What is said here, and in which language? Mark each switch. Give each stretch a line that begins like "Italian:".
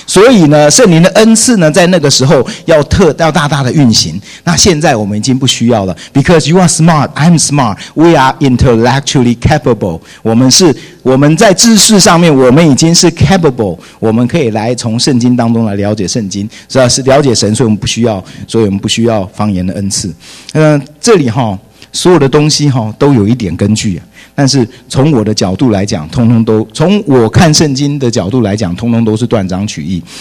Chinese: 所以呢，圣灵的恩赐呢，在那个时候要大大的运行。那现在我们已经不需要了 ，
English: because you are smart, I'm smart, we are intellectually capable。
Chinese: 我们在知识上面，我们已经是 capable， 我们可以来从圣经当中来了解圣经，是吧？是了解神，所以我们不需要方言的恩赐。这里哈，所有的东西都有一点根据，但是从我的角度来讲，通通都从我看圣经的角度来讲，通通都是断章取义。